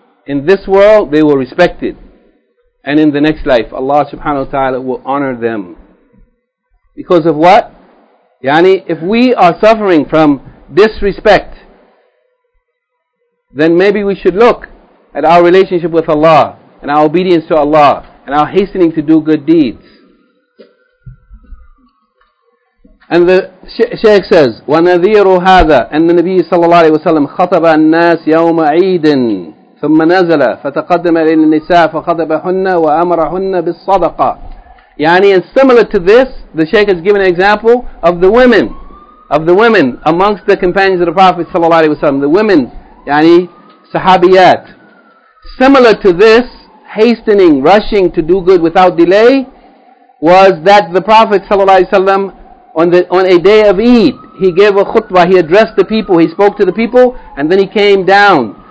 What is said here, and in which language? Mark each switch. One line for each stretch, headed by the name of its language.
English: In this world, they were respected. And in the next life, Allah subhanahu wa ta'ala will honor them. Because of what? Yani, if we are suffering from disrespect, then maybe we should look at our relationship with Allah, and our obedience to Allah, and our hastening to do good deeds. And the Shaykh says,
Arabic: وَنَذِيرُ هَذَا أَنَّ النَّبِيِّ صَلَّى اللَّهُ عَلَيْهِ وَسَلَّمْ خَطَبَ النَّاسِ يَوْمَ عِيدٍ ثُمَّ نَزَلَ فَتَقَدَّمَ إِلَى النِّسَاءِ فَخَطَبَهُنَّ وَأَمَرَهُنَّ بِالصَّدَقَةِ.
English: Yani, and similar to this, the Shaykh has given an example of the women, amongst the companions of the Prophet صَلَّى اللَّهُ عَلَيْهِ وَسَلَّمْ, the women, yani, sahabiyat. Similar to this, hastening, rushing to do good without delay, was that the Prophet صَلَّى اللَّهُ عَلَيْهِ وَسَلَّمْ, on a day of Eid, he gave a khutbah, he addressed the people, he spoke to the people, and then he came down.